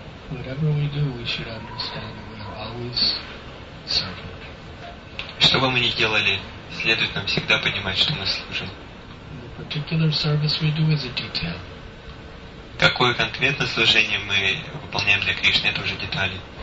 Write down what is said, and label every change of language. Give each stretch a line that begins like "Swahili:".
English: Whatever we do, we should understand that we are always serving.
Russian: Что бы мы ни делали, следует нам всегда понимать, что мы служим.
English: The particular service we do is a detail.
Russian: Какое конкретное служение мы выполняем для Кришны, это уже детали.